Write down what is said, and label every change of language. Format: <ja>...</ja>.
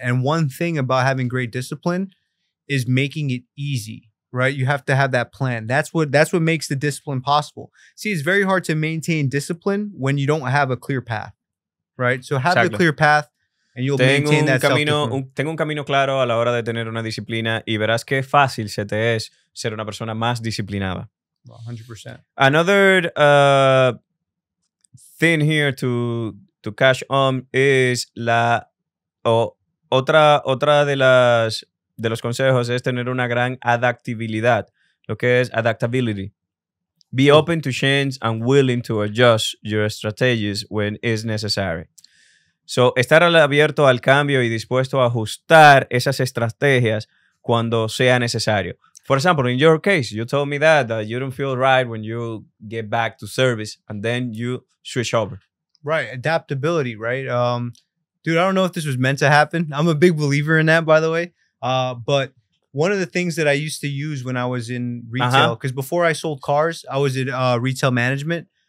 <en>And one thing about having great discipline is making it easy, right? You have to have that plan. That's what makes the discipline possible. See, it's very hard to maintain discipline when you don't have a clear path, right? So have a clear path and you'll maintain that self-discipline.</en> <es>Tengo un camino claro a la hora de tener una disciplina y verás qué fácil se te es ser una persona más disciplinada.</es> <en>100%. Another thing here to cash on is</en> <es>otra de las... de los consejos es tener una gran adaptabilidad, lo que es adaptability.</es> <en>Be open to change and willing to adjust your strategies when is necessary.</en> <es>So, estar abierto al cambio y dispuesto a ajustar esas estrategias cuando sea necesario.</es> <en>For example, in your case, you told me that you don't feel right when you get back to service and then you switch over. Right, adaptability, right? Dude, I don't know if this was meant to happen. I'm a big believer in that, by the way. But one of the things that I used to use when I was in retail, because before I sold cars, I was in retail management.</en>